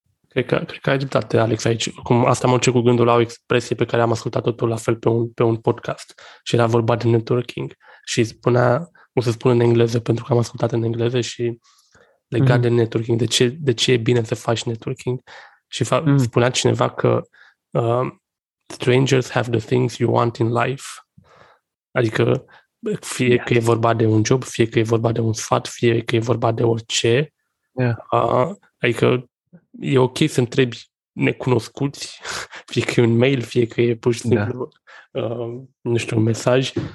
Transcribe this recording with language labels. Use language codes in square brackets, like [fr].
[ro] Cred că ai dreptate, Alex, aici. Cum asta mă duce cu gândul la o expresie pe care am ascultat-o tot la fel pe un podcast. Și era vorba de networking. Și spunea, o să spun în engleză pentru că am ascultat în engleză și legat de networking, de ce e bine să faci networking. Și spunea cineva că [en] strangers have the things you want in life. [ro] Adică fie că e vorba de un job, fie că e vorba de un sfat, fie că e vorba de orice. Adică e ok să întrebi necunoscuți, fie că e un mail, fie că e pur și simplu nu știu, un mesaj.